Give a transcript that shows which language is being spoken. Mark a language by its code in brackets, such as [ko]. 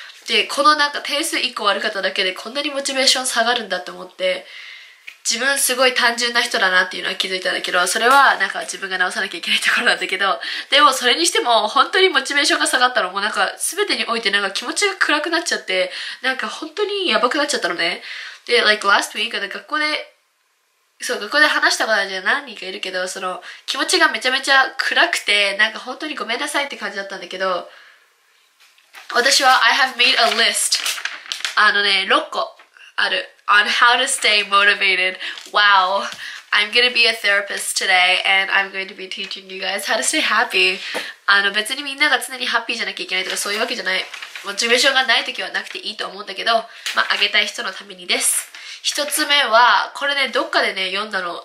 [ja] で、このなんか点数1個悪かっただけでこんなにモチベーション下がるんだって思って、自分すごい単純な人だなっていうのは気づいたんだけど、それはなんか自分が直さなきゃいけないところなんだけど、でもそれにしても本当にモチベーションが下がったの、もうなんか全てにおいてなんか気持ちが暗くなっちゃって、なんか本当にやばくなっちゃったのね。で、 [en] like last week、 [ja] 学校で、そう、学校で話したことじゃ何人かいるけど、その気持ちがめちゃめちゃ暗くて、なんか本当にごめんなさいって感じだったんだけど、私は [en] I have made a list. [ja] あのね、6個ある。 [en] On how to stay motivated. Wow. I'm gonna be a therapist today and I'm going to be teaching you guys how to stay happy. [ja] 別にみんなが常にハッピーじゃなきゃいけないとかそういうわけじゃない。モチベーションがない時はなくていいと思うんだけど、まあ、あげたい人のためにです。一つ目は、これね、どっかでね、読んだの。